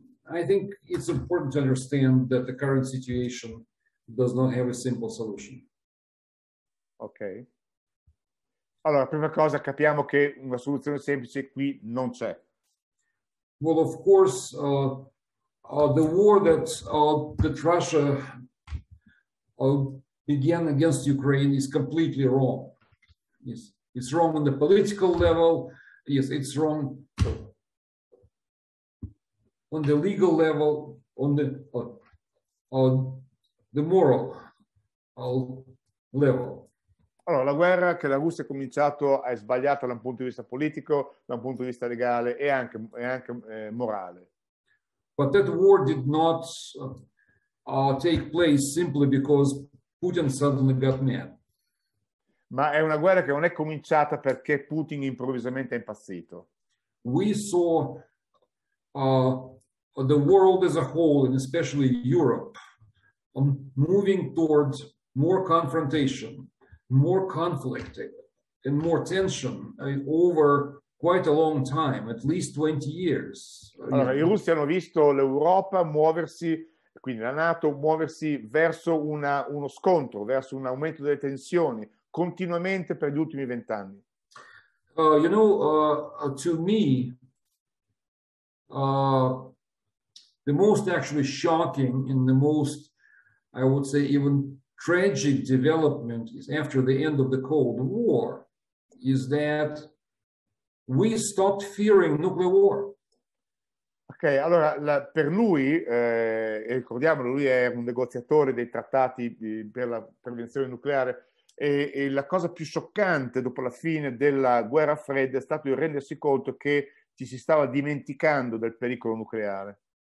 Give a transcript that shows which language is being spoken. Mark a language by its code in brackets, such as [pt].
[en] I think it's important to understand that the current situation does not have a simple solution. Okay. [it] Allora, prima cosa, capiamo che una soluzione semplice qui non c'è. [en] Well, of course, the war that that Russia began against Ukraine is completely wrong. Yes, it's wrong on the political level. Yes, it's wrong on the legal level, on the moral level. [it] Allora, la guerra che la Russia ha cominciato è sbagliata da un punto di vista politico, da un punto di vista legale e anche morale. [en] But that war did not take place simply because Putin suddenly got mad. [it] Ma è una guerra che non è cominciata perché Putin improvvisamente è impazzito. [en] We saw the world as a whole, and especially Europe, moving towards more confrontation, more conflict, and more tension over quite a long time, at least 20 years. [it] Allora, i russi hanno visto l'Europa muoversi, quindi la NATO, muoversi verso uno scontro, verso un aumento delle tensioni, continuamente per gli ultimi 20 anni. [en] To me, the most actually shocking and the most, I would say, even tragic development is after the end of the Cold War is that we stopped fearing nuclear war. [it] Okay, allora, per lui, ricordiamolo, lui è un negoziatore dei trattati per la prevenzione nucleare, e la cosa più scioccante dopo la fine della Guerra Fredda è stato il rendersi conto che ci si stava dimenticando del pericolo nucleare.